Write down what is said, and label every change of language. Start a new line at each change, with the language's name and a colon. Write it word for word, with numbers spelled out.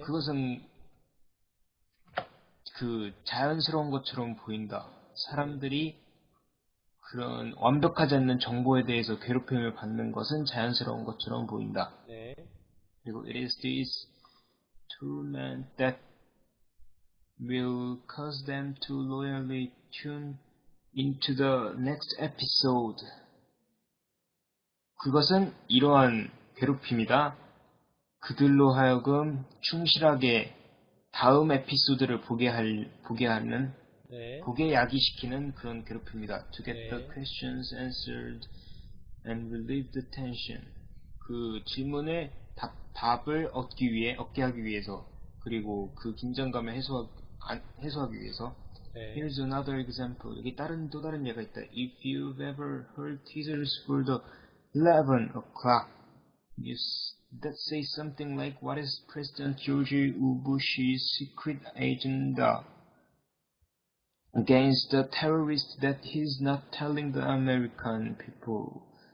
Korean: 그것은 그 자연스러운 것처럼 보인다. 네. 사람들이 그런 완벽하지 않는 정보에 대해서 괴롭힘을 받는 것은 자연스러운 것처럼 보인다. 네. 그리고
English: it is these torment that will cause them to loyally tune into the next episode.
Korean: 그것은 이러한 괴롭힘이다. 그들로 하여금 충실하게 다음 에피소드를 보게 할, 보게 하는, 네. 보게 야기시키는 그런 괴롭힘이다.
English: To get the
Korean: 네.
English: questions answered and relieve the tension.
Korean: 그 질문에 답, 답을 얻기 위해, 얻게 하기 위해서, 그리고 그 긴장감을 해소하, 안, 해소하기 위해서. 네.
English: Here's another example.
Korean: 여기 다른, 또 다른 예가 있다.
English: If you've ever heard teasers for the eleven o'clock news that say something like, what is President George Ubushi's secret agenda against the terrorists that he's not telling the American people?